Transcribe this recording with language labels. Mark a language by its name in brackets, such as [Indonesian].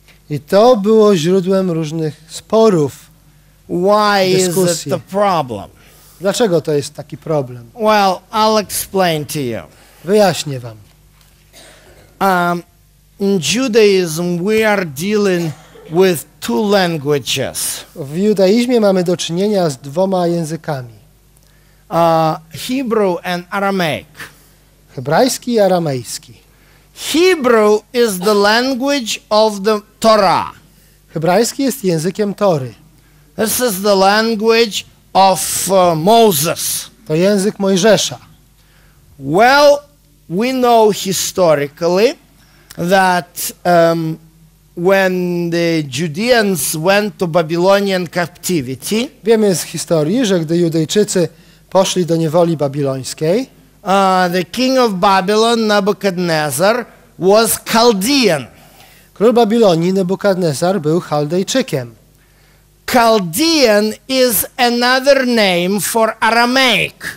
[Polish] I to było źródłem różnych sporów. [English] Why is it the problem? [Polish] Dlaczego to jest taki problem? [English] Well, I'll explain to you. [Polish] Wyjaśnię wam. [English] In Judaism we are dealing with two languages. [Polish] W judaizmie mamy do czynienia z dwoma językami. [English] Hebrew and Aramaic. [Polish] Hebrajski i aramejski. [English] Hebrew is the language of the Torah. [Polish] Hebrajski jest językiem Tory. [English] This is the language of Moses. [Polish] To język Mojżesza. [English] Well, we know historically that when the Judeans went to Babylonian captivity, [Polish] wiemy z historii, że gdy Judejczycy poszli do niewoli babilońskiej, [English] the king of Babylon, Nebuchadnezzar, was Chaldean. [Polish] Król Babilonii Nebukadnezar był Chaldejczykiem. [English] Chaldean is another name for Aramaic.